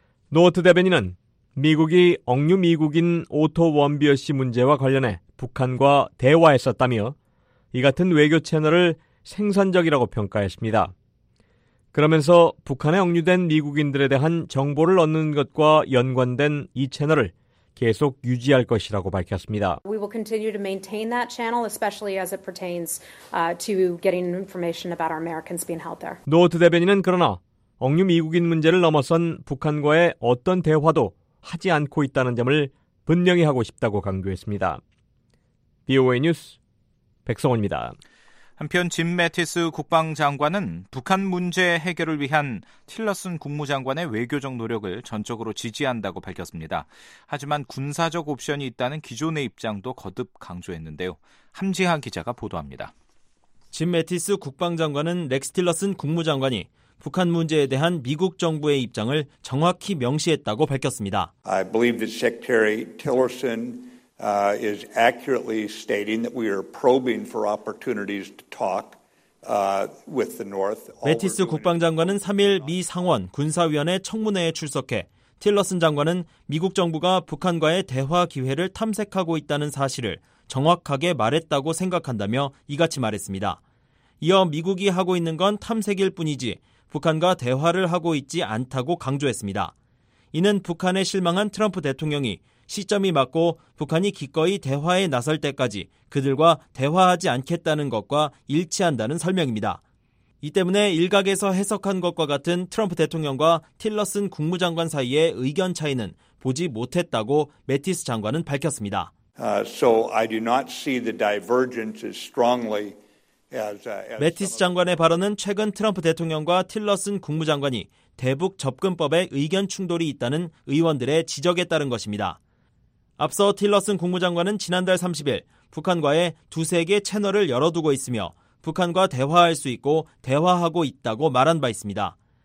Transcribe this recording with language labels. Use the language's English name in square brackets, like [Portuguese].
[Korean] 노트 대변인은 미국이 억류 미국인 오토 원비어 씨 문제와 관련해 북한과 대화했었다며 이 같은 외교 채널을 생산적이라고 평가했습니다. 그러면서 북한에 억류된 미국인들에 대한 정보를 얻는 것과 연관된 이 채널을 계속 유지할 것이라고 밝혔습니다. [English] We will continue to maintain that channel, especially as it pertains to getting information about our Americans being held there. [Korean] 노트 대변인은 그러나 억류 미국인 문제를 넘어선 북한과의 어떤 대화도 하지 않고 있다는 점을 분명히 하고 싶다고 강조했습니다. VOA 뉴스 백성원입니다. 한편 짐 매티스 국방장관은 북한 문제 해결을 위한 틸러슨 국무장관의 외교적 노력을 전적으로 지지한다고 밝혔습니다. 하지만 군사적 옵션이 있다는 기존의 입장도 거듭 강조했는데요. 함지하 기자가 보도합니다. 짐 매티스 국방장관은 렉스 틸러슨 국무장관이 북한 문제에 대한 미국 정부의 입장을 정확히 명시했다고 밝혔습니다. [English] I believe that Secretary Tillerson is accurately stating that we are probing for opportunities to talk with the North. [Korean] 매티스 국방장관은 3일 미 상원 군사위원회 청문회에 출석해 틸러슨 장관은 미국 정부가 북한과의 대화 기회를 탐색하고 있다는 사실을 정확하게 말했다고 생각한다며 이같이 말했습니다. 이어 미국이 하고 있는 건 탐색일 뿐이지 북한과 대화를 하고 있지 않다고 강조했습니다. 이는 북한에 실망한 트럼프 대통령이 시점이 맞고 북한이 기꺼이 대화에 나설 때까지 그들과 대화하지 않겠다는 것과 일치한다는 설명입니다. 이 때문에 일각에서 해석한 것과 같은 트럼프 대통령과 틸러슨 국무장관 사이의 의견 차이는 보지 못했다고 매티스 장관은 밝혔습니다. [English] So I do not see the divergence as strongly. [Korean] 매티스 장관의 발언은 최근 트럼프 대통령과 틸러슨 국무장관이 대북 접근법에 의견 충돌이 있다는 의원들의 지적에 따른 것입니다. 앞서 틸러슨 국무장관은 지난달 30일 북한과의 두세 개 채널을 열어두고 있으며 북한과 대화할 수 있고 대화하고 있다고 말한 바 있습니다.